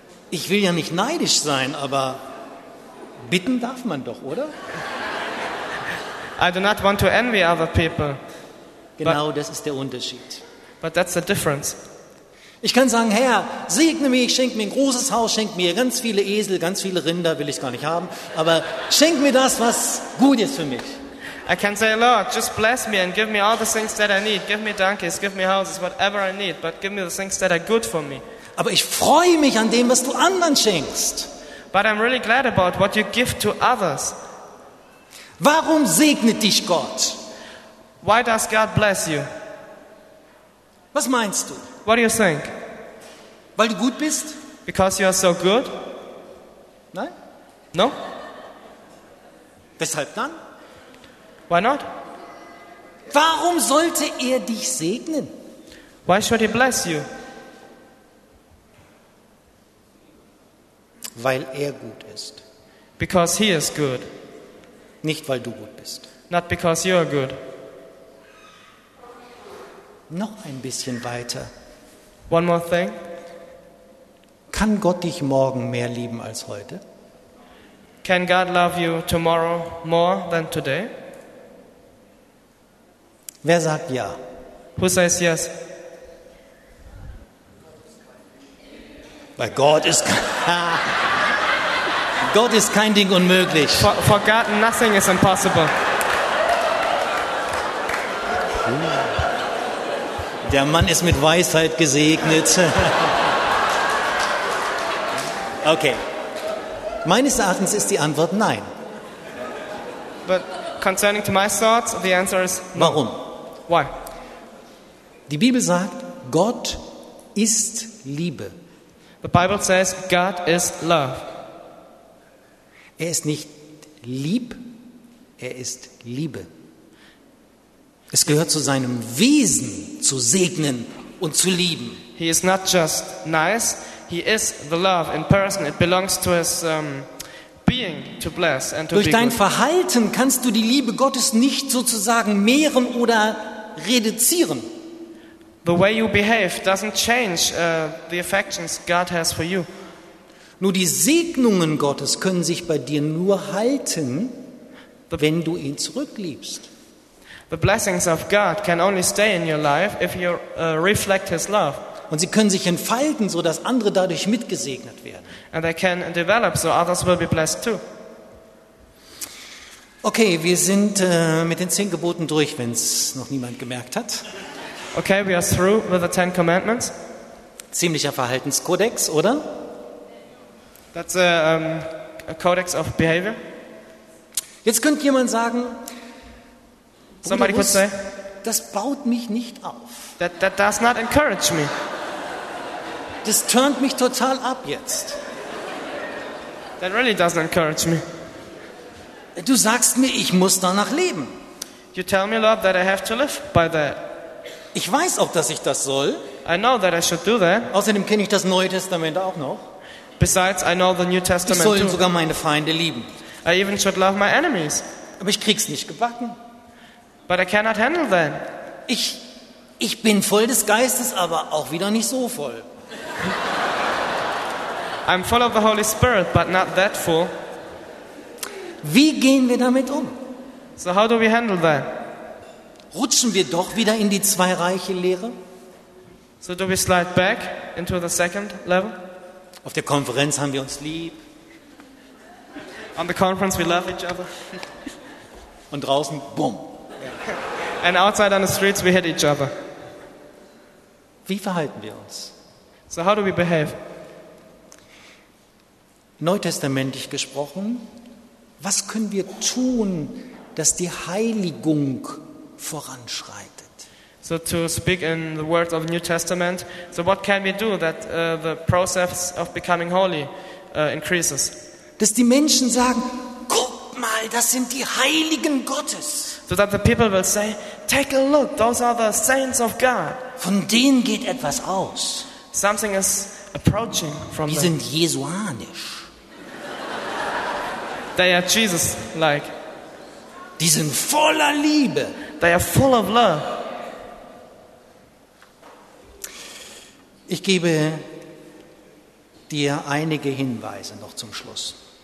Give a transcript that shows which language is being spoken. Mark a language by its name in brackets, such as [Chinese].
[German] Ich will ja nicht neidisch sein, aber bitten darf man doch, oder? [English] I do not want to envy other people. [German] Genau, das ist der Unterschied. [English] But that's the difference. [German] Ich kann sagen, Herr, segne mich, schenk mir ein großes Haus, schenk mir ganz viele Esel, ganz viele Rinder, will ich gar nicht haben, aber schenk mir das, was gut ist für mich. [English] I can say, Lord, just bless me and give me all the things that I need. Give me donkeys, give me houses, whatever I need, but give me the things that are good for me. [German] Aber ich freue mich an dem, was du anderen schenkst. [English] But I'm really glad about what you give to others. [German] Warum segnet dich Gott? [English] Why does God bless you? [German] Was meinst du? [English] What do you think? [German] Weil du gut bist? [English] Because you are so good? [German] Nein? [English] No? [German] Weshalb dann? [English] Why not? [German] Warum sollte er dich segnen? [English] Why should he bless you? [German] Weil er gut ist. [English] Because he is good. [German] Nicht weil du gut bist. [English] Not because you are good. [German] Noch ein bisschen weiter. [English] One more thing. [German] Kann Gott dich morgen mehr lieben als heute? [English] Can God love you tomorrow more than today? [German] Wer sagt ja? [English] Who says yes? [German] Bei Gott ist Gott ist kein Ding unmöglich. [English] For God, nothing is impossible. [German] Der Mann ist mit Weisheit gesegnet. Okay. Meines Erachtens ist die Antwort nein. [English] But concerning to my thoughts, the answer is no. [German] Warum? [English] Why? [German] Die Bibel sagt, Gott ist Liebe. [English] The Bible says God is love. [German] Er ist nicht lieb, er ist Liebe. Es gehört zu seinem Wesen, zu segnen und zu lieben. [English] He is not just nice, he is the love in person. It belongs to his being to bless and to [German] Durch [English] be [German] dein Verhalten kannst du die Liebe Gottes nicht sozusagen mehren oder reduzieren. [English] The way you behave doesn't change the affections God has for you. [German] Nur die Segnungen Gottes können sich bei dir nur halten, wenn du ihn zurückliebst. [English] The blessings of God can only stay in your life if you reflect his love. [German] Und sie können sich entfalten, so dass andere dadurch mitgesegnet werden. [English] And they can develop so others will be blessed too. [German] Okay, wir sind mit den 10 Geboten durch, wenn es noch niemand gemerkt hat. [English] Okay, we are through with the 10 commandments. [German] Ziemlicher Verhaltenskodex, oder? [English] That's a codex of behavior. [German] Jetzt könnte jemand sagen, [English] somebody could say, [German] das baut mich nicht auf. [English] That does not encourage me. [German] Das turnt mich total ab jetzt. [English] That really doesn't encourage me. [German] Du sagst mir, ich muss danach leben. [English] You tell me, Lord, that I have to live by that. [German] Ich weiß auch, dass ich das soll. [English] I know that I should do that. [German] Außerdem kenne ich das Neue Testament auch noch. [English] Besides, I know the New Testament [German] ich soll [English] too. [German] Sogar meine Feinde lieben. [English] I even should love my enemies. [German] Aber ich krieg's nicht gebacken. [English] But I cannot handle that. [German] Ich bin voll des Geistes, aber auch wieder nicht so voll. [English] I'm full of the Holy Spirit, but not that full. [German] Wie gehen wir damit um? [English] So how do we handle that? [German] Rutschen wir doch wieder in die zweireiche Lehre? [English] So do we slide back into the second level? [German] Auf der Konferenz haben wir uns lieb. [English] On the conference we love each other. [German] Und draußen, boom. [English] And outside on the streets we hit each other. [German] Wie verhalten wir uns? [English] So how do we behave? [German] Neutestamentlich gesprochen, was können wir tun, dass die Heiligung voranschreitet? [English] So to speak in the words of the New Testament, so what can we do that the process of becoming holy increases? [German] Dass die Menschen sagen, guck mal, das sind die Heiligen Gottes. [English] So that the people will say, take a look, those are the saints of God. [German] Von denen geht etwas aus. [English] Something is approaching from them. [German] Die sind jesuanisch. [English] They are Jesus-like. [German] Die sind voller Liebe. [English] They are full of love. [German] Ich gebe dir einige Hinweise noch zum Schluss.